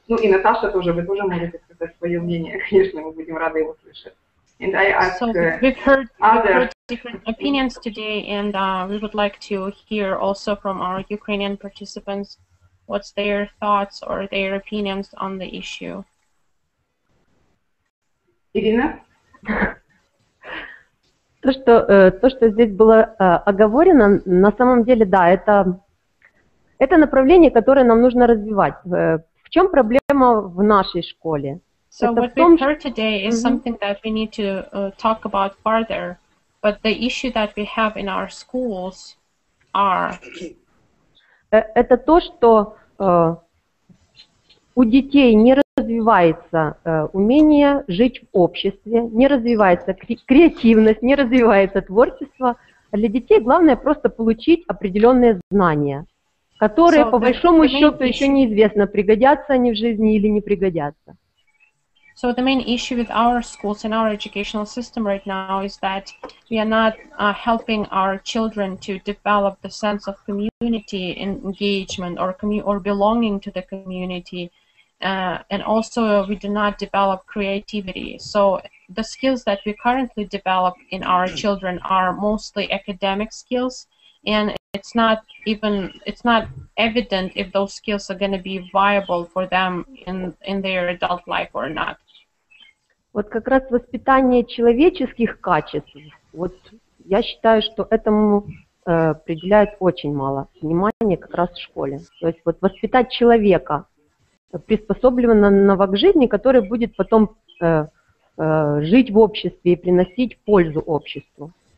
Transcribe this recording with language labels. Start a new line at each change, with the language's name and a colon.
Russian: Ну и Наташа тоже, вы тоже можете сказать свое мнение. Конечно, мы будем рады его слышать.
English: And I ask, so we've heard different opinions today, and we would like to hear also from our Ukrainian participants what's their thoughts or their opinions on the issue.
Russian: Ирина? То, что здесь было оговорено, на самом деле, да, это направление, которое нам нужно развивать. В чем проблема в нашей школе?
English: So
Russian: это
English: what we've heard today is something that we need to talk about further, but the issue that we have in our schools are...
Russian: Это то, что у детей не развивается умение жить в обществе, не развивается креативность, не развивается творчество. Для детей главное просто получить определенные знания, которые, so по большому счету, еще неизвестно, пригодятся они в жизни или не пригодятся.
English: So the main issue with our schools and our educational system right now is that we are not helping our children to develop the sense of community and engagement or belonging to the community. And also we do not develop creativity. So the skills that we currently develop in our children are mostly academic skills, and it's not evident if those skills are going to be viable for them in their adult life or not.
Russian: Вот как раз воспитание человеческих качеств. Вот я считаю, что этому Определяют очень мало внимания как раз в школе. То есть вот воспитать человека, приспособленного к жизни, который будет потом жить в обществе и приносить пользу обществу.